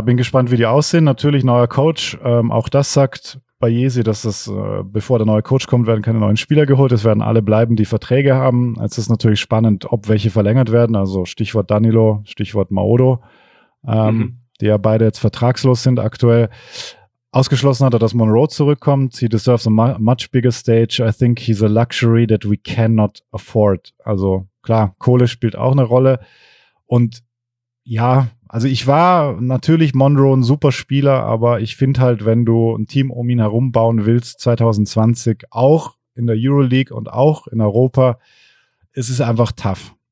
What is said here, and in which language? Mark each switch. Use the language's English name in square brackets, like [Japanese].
[German] Bin gespannt, wie die aussehen. Natürlich neuer Coach. Auch das sagt Baiesi, dass es, bevor der neue Coach kommt, werden keine neuen Spieler geholt. Es werden alle bleiben, die Verträge haben. Es ist natürlich spannend, ob welche verlängert werden. Also Stichwort Danilo, Stichwort Maodo, die ja beide jetzt vertragslos sind aktuell. Ausgeschlossen hat er, dass Monroe zurückkommt. [English] He deserves a much bigger stage. I think he's a luxury that we cannot afford. [German] Also klar, Kohle spielt auch eine Rolle. Und ja, also ich war natürlich Monroe ein super Spieler, aber ich finde halt, wenn du ein Team um ihn herum bauen willst, 2020 auch in der Euroleague und auch in Europa, es ist einfach tough.